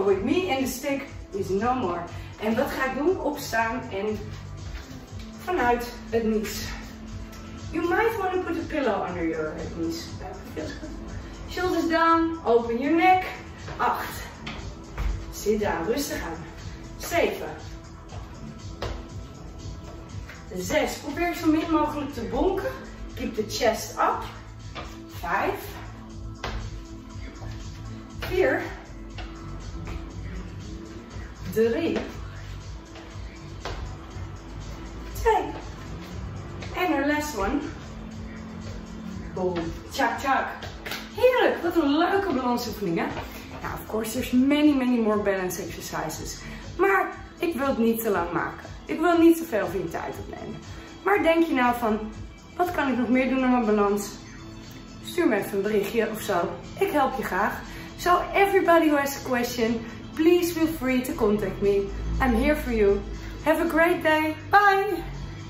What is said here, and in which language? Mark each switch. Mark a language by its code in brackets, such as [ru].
[en] With me and the stick is no more. [nl] En wat ga ik doen? Opstaan en vanuit het niets. [en] You might want to put a pillow under your knees. Shoulders down. Open your neck. 8. Sit down. [nl] Rustig aan. [en] 7. 6. [nl] Probeer zo min mogelijk te bonken. [en] Keep the chest up. 5. 4. 3. 2. And our last one. Boom. Tjak, tjak. Heerlijk. [nl] Wat een leuke balansoefening, hè? Nou, [en] of course, there's many, many more balance exercises. [nl] Maar ik wil het niet te lang maken. Ik wil niet te veel van je tijd opnemen. Maar denk je nou van, wat kan ik nog meer doen aan mijn balans? Stuur me even een berichtje of zo. Ik help je graag. [en] So, everybody who has a question, please feel free to contact me. I'm here for you. Have a great day. Bye.